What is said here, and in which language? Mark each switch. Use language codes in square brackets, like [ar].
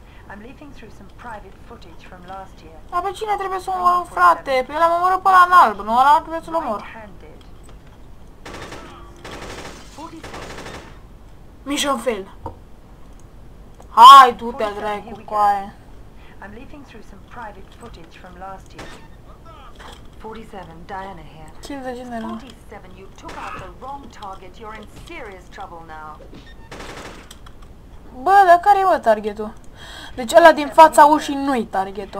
[en] I'm leafing through some private footage from last year. [ro] Dar pe cine trebuie să omor, frate? Pe ăla mă omoră pe ăla în alb, nu ăla trebuie să-l omor. [en] Mission fail. [ro] Hai, du-te, dracu, coaie. [en] I'm leafing through some private footage from last year. 47, Diana here. 47, you took out the wrong target. You're in serious trouble now. [ro] Bă, dar care e, bă, targetul? Deci ăla din fața ușii nu-i targetul.